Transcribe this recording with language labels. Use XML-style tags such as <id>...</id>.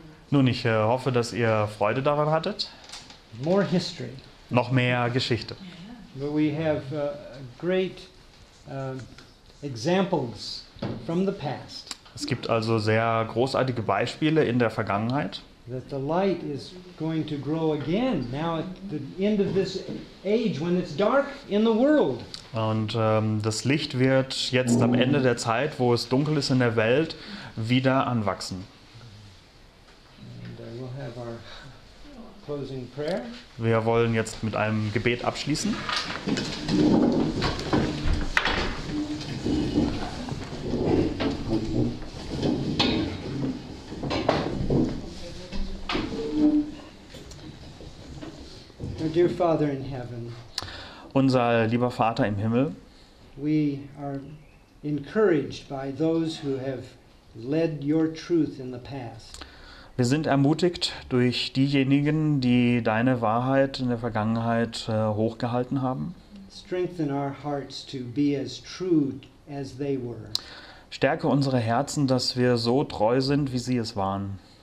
<de>Nun, ich hoffe, dass ihr Freude daran hattet.</de> <en>More history.</en> <de>Noch mehr Geschichte.</de> <en>But we have great examples from the past.</en> <de>Es gibt also sehr großartige Beispiele in der Vergangenheit.</de> <en>That the light is going to grow again now at the end of this age when it's dark in the world.</en> <de>Und das Licht wird jetzt am Ende der Zeit, wo es dunkel ist in der Welt, wieder anwachsen.</de> <en>And, we'll have our closing prayer.</en> <de>Wir wollen jetzt mit einem Gebet abschließen.</de> <en>Our dear Father in heaven.</en> <de>Unser lieber Vater im Himmel.</de> <en>We are encouraged by those who have led your truth in the past.</en> <de>Wir sind ermutigt durch diejenigen, die deine Wahrheit in der Vergangenheit hochgehalten haben.</de> <en>Strengthen our hearts to be as true as they were.</en> <de>Stärke unsere Herzen, dass wir so treu sind, wie sie es waren.</de>